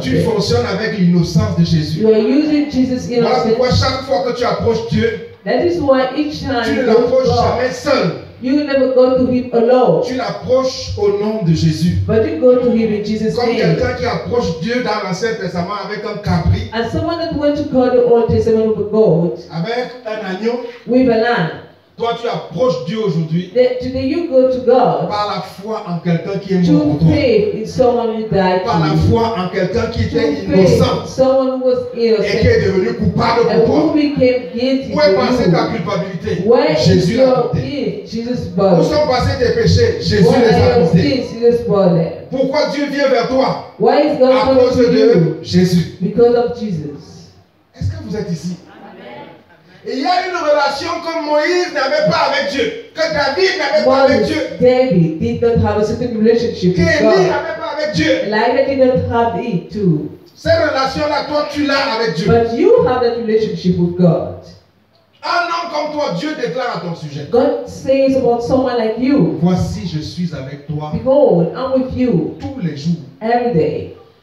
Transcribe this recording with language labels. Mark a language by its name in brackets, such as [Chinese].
[French] Tu fonctionnes avec l'innocence de Jésus. [English] You are using Jesus innocent. [French] Voilà pourquoi chaque fois que tu approches Dieu, [English] that is why each time [French] tu ne l'approches jamais seul. [English] You never go to him alone. [French] Tu l'approches au nom de Jésus. [English] But you go to him in Jesus' [French] comme [English] name. [French] Comme quelqu'un qui approche Dieu dans l'Ancien Testament avec un capri. [English] As someone that went to God the Old Testament with a goat. [French] Avec un agneau. [English] With a lamb. [French] Toi, tu approches Dieu aujourd'hui. [English] Today you go to God. [French] Par la foi en quelqu'un qui est mort pour toi. [English] To faith in someone who died. [French] Par la foi en quelqu'un qui était innocent. [English] Someone who was innocent. [French] Et qui est devenu coupable pour toi. [English] And who became guilty. [French] Où est passée ta culpabilité? [English] Where [French] Jésus [English] is your sin? Jesus bore. [French] Où sont passés tes péchés? Jésus les a portés. [English] Jesus bore. [French] Pourquoi Dieu vient vers toi? [English] Why is God coming to you? [French] À cause de Jésus. [English] Because of Jesus. [French] Est-ce que vous êtes ici? Et il y a une relation que Moïse n'avait pas avec Dieu, que David n'avait pas avec Dieu. [English] David did not have a certain relationship with God. [French] Qu'Élie n'avait pas avec Dieu. [English] Elijah did not have it too. [French] Cette relation-là, toi, tu l'as avec Dieu. [English] But you have that relationship with God. [French] Un homme comme toi, Dieu déclare à ton sujet. [English] God says about someone like you. [French] Voici, je suis avec toi. [English] Behold, I'm with you. [French] Tous les jours. [English] Every day.